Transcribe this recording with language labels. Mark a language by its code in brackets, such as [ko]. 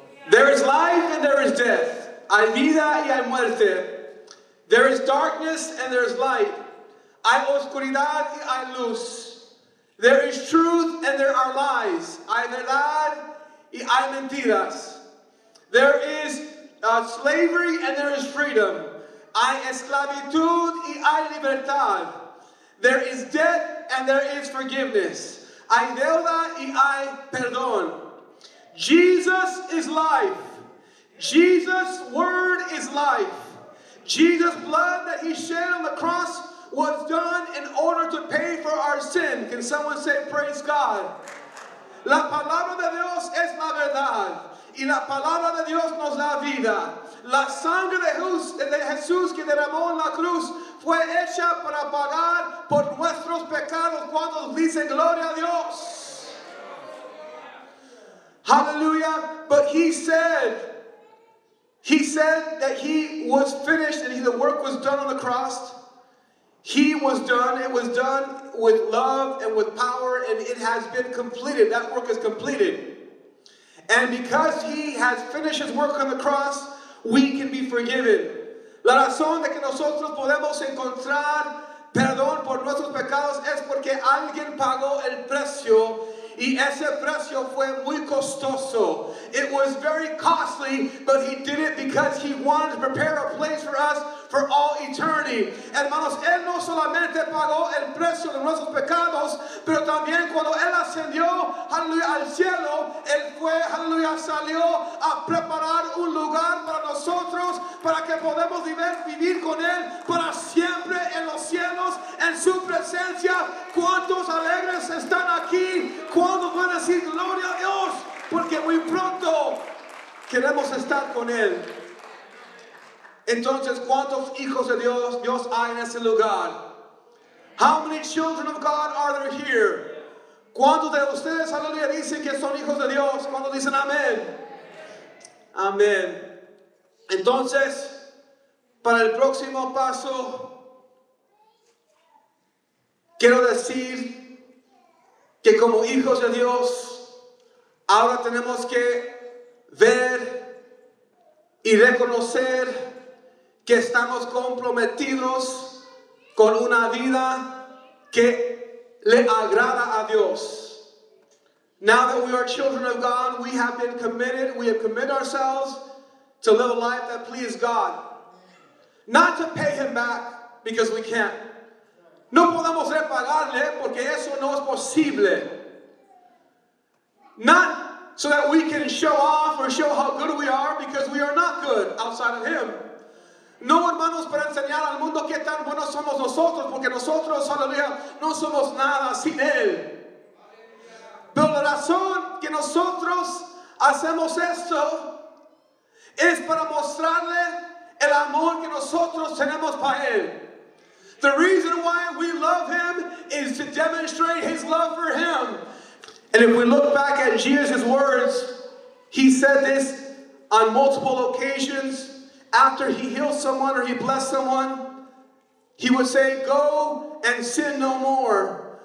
[en] There is life and there is death. [es] Hay vida y hay muerte. [en] There is darkness and there is light. [es] Hay oscuridad y hay luz. [en] There is truth and there are lies. [es] Hay verdad y hay mentiras. [en] There is slavery and there is freedom. [es] Hay esclavitud y hay libertad. [en] There is debt and there is forgiveness. [es] Hay deuda y hay perdón. [en] Jesus is life. Jesus' word is life. Jesus' blood that he shed on the cross was done in order to pay for our sin. Can someone say praise God? [es] La palabra de Dios es la verdad. Y la palabra de Dios nos da vida. La sangre de Jesús que derramó en la cruz fue hecha para pagar por nuestros pecados. Cuando dice gloria a Dios. [en] Hallelujah. But he said that he was finished and the work was done on the cross. He was done. It was done with love and with power, and it has been completed. That work is completed. And because he has finished his work on the cross, we can be forgiven. [es] La razón de que nosotros podemos encontrar perdón por nuestros pecados es porque alguien pagó el precio. Y ese precio fue muy costoso. [en] It was very costly, but he did it because he wanted to prepare a place for us for all eternity. [es] Hermanos, él no solamente pagó el precio de nuestros pecados, pero también cuando él ascendió, aleluya, al cielo, él fue, aleluya, salió a preparar un lugar para nosotros para que podamos vivir con él para siempre en los cielos, en su presencia. ¿Cuántos alegres están aquí? ¿Cuándo van a decir gloria a Dios? Porque muy pronto queremos estar con él. Entonces, ¿cuántos hijos de Dios hay en ese lugar? [en] How many children of God are there here? [es] ¿Cuántos de ustedes, aleluya, dicen que son hijos de Dios? ¿Cuántos dicen amén? Amén. Entonces, para el próximo paso, quiero decir que como hijos de Dios, ahora tenemos que ver y reconocer que estamos comprometidos con una vida que le agrada a Dios. [en] Now that we are children of God, we have been committed, we have committed ourselves to live a life that pleases God. Not to pay him back, because we can't. [es] No podemos repagarle, porque eso no es posible. [en] Not so that we can show off or show how good we are, because we are not good outside of him. [es] No, hermanos, para enseñar al mundo qué tan buenos somos nosotros, porque nosotros, aleluya, no somos nada sin Él. Pero la razón que nosotros hacemos esto es para mostrarle el amor que nosotros tenemos para Él. [en] The reason why we love Him is to demonstrate His love for Him. And if we look back at Jesus' words, He said this on multiple occasions. After He healed someone or He blessed someone, He would say, go and sin no more.